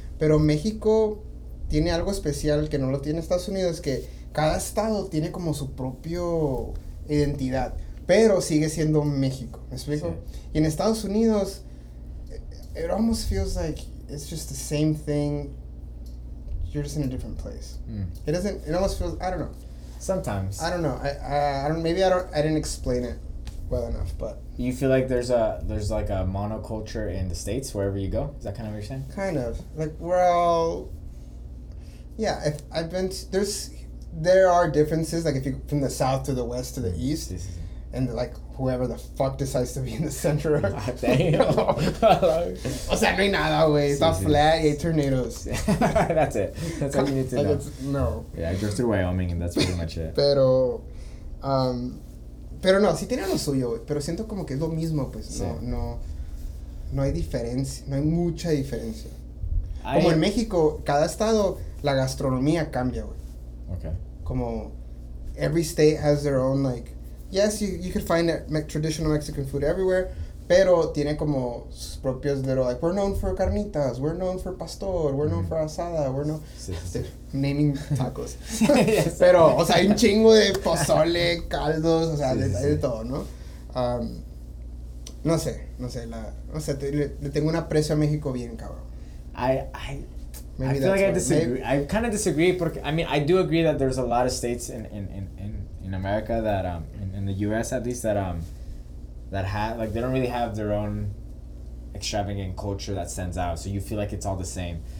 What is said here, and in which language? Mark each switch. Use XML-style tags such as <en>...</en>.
<es>Pero México tiene algo especial que no lo tiene Estados Unidos, que cada estado tiene como su propia identidad, pero sigue siendo México, ¿me explico? Sí. Y en Estados Unidos,</es> <en>it almost feels like it's just the same thing, you're just in a different place. It doesn't, it almost feels, I don't know. Sometimes. I don't know, I didn't explain it well enough, but. You feel like there's like a monoculture in the States wherever you go? Is that kind of what you're saying? Kind of, like we're all, yeah, if I've been, there's, there are differences, like if you, from the South to the West to the East. And like whoever the fuck decides to be in the center of damn.</en> <es>O sea, no hay nada, güey. Está flat y hay tornados.</es> <en>That's it. That's all you need to like know. No. Yeah, I drove through Wyoming and that's pretty much it.</en> <es>Pero no, sí tiene lo suyo, güey. Pero siento como que es lo mismo, pues. Sí. No hay diferencia. No hay mucha diferencia. Como en México, cada estado, la gastronomía cambia, güey.</es> <en>Okay. Como every state has their own, like. Yes, you could find traditional Mexican food everywhere,</en> <es>pero tiene como sus propios</es> <en>little, like, we're known for carnitas, we're known for pastor, we're known for asada, we're known...</en> <es>Sí.</es> <en>Naming tacos.</en> <es>Pero, o sea, hay un chingo de pozole, caldos, o sea, de todo, ¿no? No sé, le tengo un aprecio a México bien, cabrón.</es> <en>I kind of disagree, porque, I mean, I do agree that there's a lot of states in America that, in the U.S. at least, that have, like, they don't really have their own extravagant culture that stands out, so you feel like it's all the same.</en>